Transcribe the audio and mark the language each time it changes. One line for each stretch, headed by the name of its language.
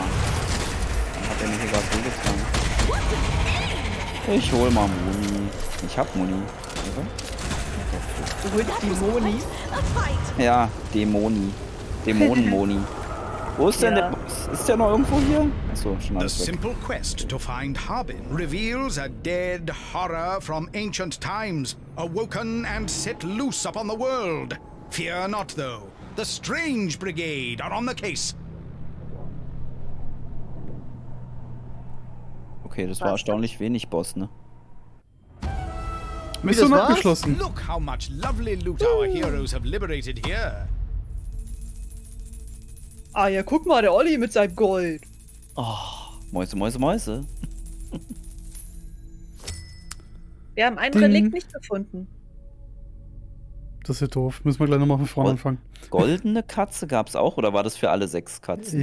German: Dann hat er mir hier gerade wehgetan. Ich hol mal Muni. Ich hab Muni. Oder? Du holst die Moni? Ja, Dämoni. Dämonen-Moni. Wo ist denn ist der noch irgendwo hier? Achso, schon
English: The simple quest to find Harbin reveals a dead horror from ancient times, awoken and set loose upon the world. Fear not though, the Strange Brigade are on the case.
German: Okay, das war erstaunlich wenig Boss, ne? Mission abgeschlossen.
English: Look how much lovely loot our heroes have liberated here.
German: Ah ja, guck mal, der Olli mit seinem Gold. Oh, Mäuse, Mäuse, Mäuse. Wir haben einen Relikt nicht gefunden. Das ist ja doof. Müssen wir gleich nochmal von vorne anfangen. Goldene Katze gab's auch, oder war das für alle 6 Katzen?